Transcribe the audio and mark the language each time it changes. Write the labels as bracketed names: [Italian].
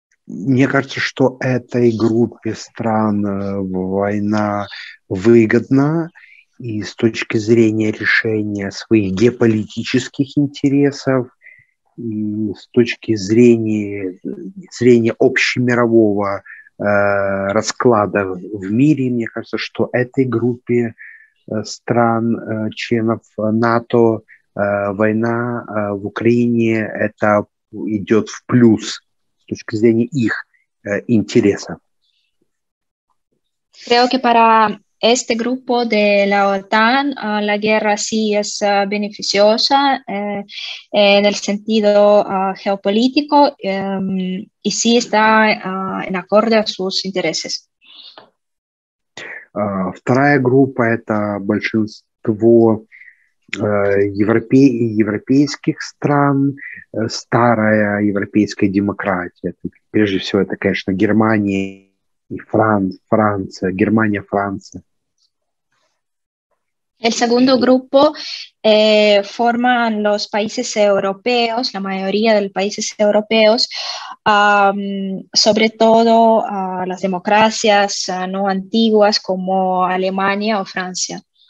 [Russian] Мне кажется, что этой группе стран война выгодна и с точки зрения решения своих геополитических интересов, и с точки зрения общемирового расклада в мире, мне кажется, что этой группе стран, членов НАТО, война в Украине, это идет в плюс с точки зрения их интереса. [Spanish] Creo que para este grupo de la OTAN, la guerra sí es beneficiosa en el sentido geopolítico y sí está en acorde a sus intereses. [Russian] Вторая группа – это большинство европейских стран, старая европейская демократия. Прежде всего, это, конечно, Германия и Франция, Германия, Франция. [Spanish] El segundo grupo forman los países europeos, la mayoría de los países europeos, sobre todo las democracias no antiguas como Alemania o Francia.